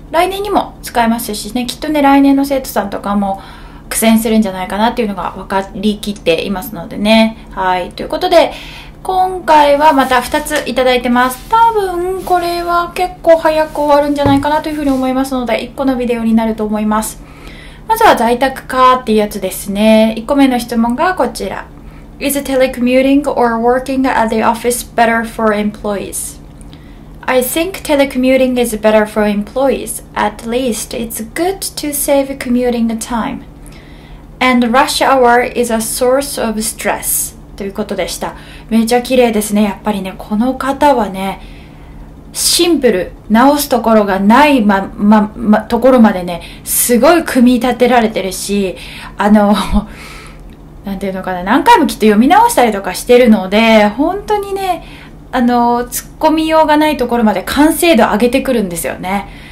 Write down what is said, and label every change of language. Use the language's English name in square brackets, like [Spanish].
[Japanese] 来年にも使えますしね、きっとね来年の生徒さんとかも苦戦するんじゃないかなっていうのが分かりきっていますのでね。はい、ということで今回はまた2ついただいてます。多分これは結構早く終わるんじゃないかなというふうに思いますので、1個のビデオになると思います。まずは在宅かっていうやつですね。1個目の質問がこちら。 [English] Is telecommuting or working at the office better for employees? I think telecommuting is better for employees. At least it's good to save commuting time. And rush hour is a source of stress. [Japanese] ということでした。めちゃ綺麗ですね。やっぱりね、この方はね、シンプル、直すところがないところまでね、すごい組み立てられてるし、あの、なんていうのかな、何回もきっと読み直したりとかしてるので、本当にね、あの、突っ込みようがないところまで完成度上げてくるんですよね。